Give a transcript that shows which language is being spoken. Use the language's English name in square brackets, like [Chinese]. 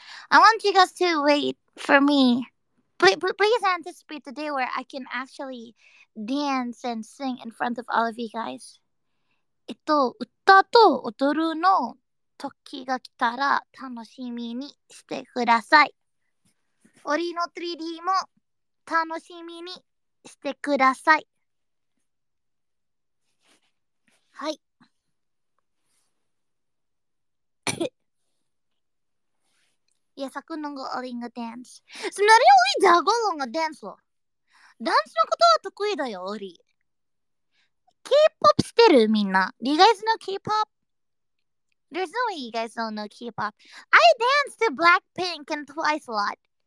[English] I want you guys to wait for me. Please anticipate the day where I can actually dance and sing in front of all of you guys. [Japanese] 歌と踊るの時が来たら楽しみにしてください。俺の 3D も楽しみにしてください。はい。やさくのゴーリングダンス。そのりょうりだゴロンがダンスを。ダンスのことは得意だよ、オリ。 [English] K-POP [Japanese] してるみんな。 [English] Do you guys know K-POP? There's no way you guys don't know K-POP. I dance to Blackpink and Twice a lot.